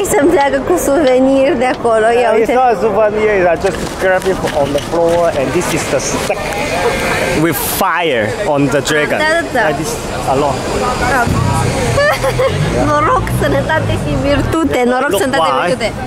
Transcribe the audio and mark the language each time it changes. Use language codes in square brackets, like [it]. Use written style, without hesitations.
[ro] Pleacă cu suvenir de acolo. Ia uite. [en] It's not a souvenir, I just grab it on the floor and this is the stick with fire on the dragon. [ro] Da. [en] Like this, a lot. [ro] Noroc, sănătate și virtute. Noroc, sănătate și virtute.